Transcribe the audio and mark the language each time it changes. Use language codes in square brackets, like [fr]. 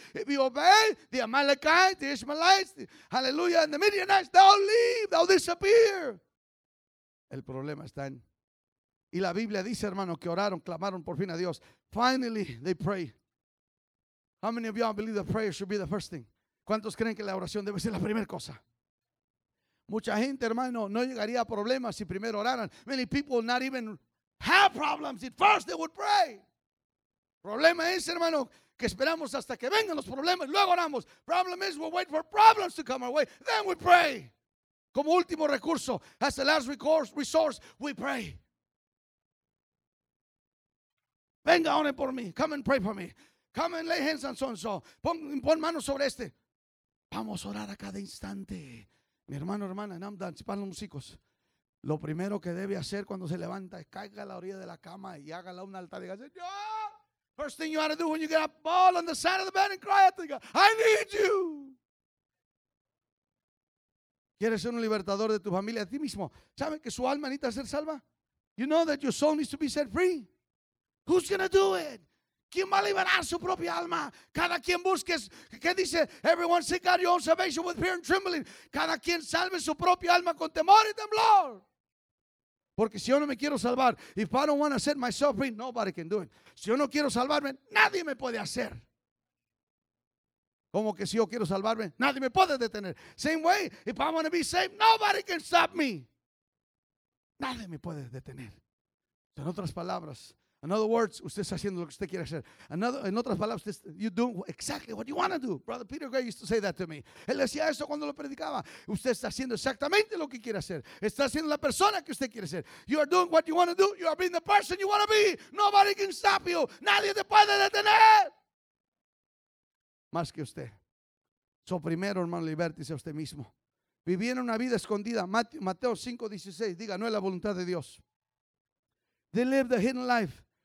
[en] If you obey, the Amalekites, the Ishmaelites, hallelujah, and the Midianites, they'll leave, they'll disappear. [es] El problema está en... Y la Biblia dice, hermano, que oraron, clamaron por fin a Dios. [en] Finally, they pray. How many of y'all believe the prayer should be the first thing? [es] ¿Cuántos creen que la oración debe ser la primera cosa? Mucha gente, hermano, no llegaría a problemas si primero oraran. [en] Many people not even have problems if first they would pray. [es] Problema es, hermano, que esperamos hasta que vengan los problemas, luego oramos. [en] Problem is we wait for problems to come our way, then we pray. [es] Como último recurso, [en] as the last resource, we pray. [es] Venga, ore por mí. [en] Come and pray for me. Come and lay hands on so-and-so. [es] Pon manos sobre este. Vamos a orar a cada instante. Mi hermano, hermana, en Amdan, para los músicos, lo primero que debe hacer cuando se levanta es caiga a la orilla de la cama y hágala un altar. Diga, Señor, [en] first thing you ought to do when you get up, fall on the side of the bed and cry out to God, I need you. [es] ¿Quieres ser un libertador de tu familia, de ti mismo? ¿Sabe que su alma necesita ser salva? [en] You know that your soul needs to be set free. Who's going to do it? [es] ¿Quién va a liberar su propia alma? Cada quien busque, ¿qué dice? [en] Everyone seek out your own salvation with fear and trembling. [es] Cada quien salve su propia alma con temor y temblor. Porque si yo no me quiero salvar, [en] if I don't want to set myself free, nobody can do it. [es] Si yo no quiero salvarme, nadie me puede hacer. Como que si yo quiero salvarme, nadie me puede detener. [en] Same way, if I want to be saved, nobody can stop me. [es] Nadie me puede detener. En otras palabras, [en] in other words, [es] usted está haciendo lo que usted quiere hacer. En otras palabras, [en] you're doing exactly what you want to do. Brother Peter Gray used to say that to me. [es] Él decía eso cuando lo predicaba. Usted está haciendo exactamente lo que quiere hacer. Está siendo la persona que usted quiere ser. [en] You are doing what you want to do. You are being the person you want to be. Nobody can stop you. [es] Nadie te puede detener. Más que usted. So primero, hermano, libértese a usted mismo. Vivir una vida escondida. Mateo 5:16. Diga, no es la voluntad de Dios. [en] They lived a hidden life.